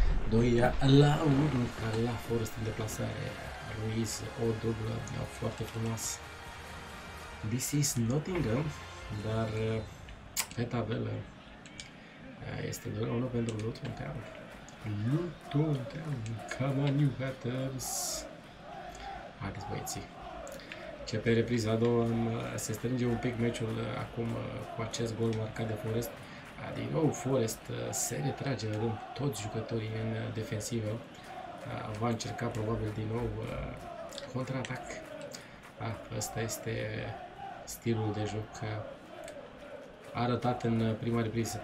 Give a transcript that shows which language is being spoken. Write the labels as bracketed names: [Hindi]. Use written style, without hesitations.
[Romanian] 2 la 1 la Forest în deplasare. Ruiz o dublă foarte frumos. [English] This is Nottingham, [Romanian] dar pe tabelă este doar 1 pentru Luton Town. [English] Luton Town, come on you haters. [Romanian] Haideți băieții. Ce pe repriza a doua, se strânge un pic meciul acum cu acest gol marcat de Forest. Din nou Forest se retrage la rând, toți jucătorii în defensivă. Va încerca probabil din nou contraatac. Ăsta este stilul de joc arătat în prima repriză.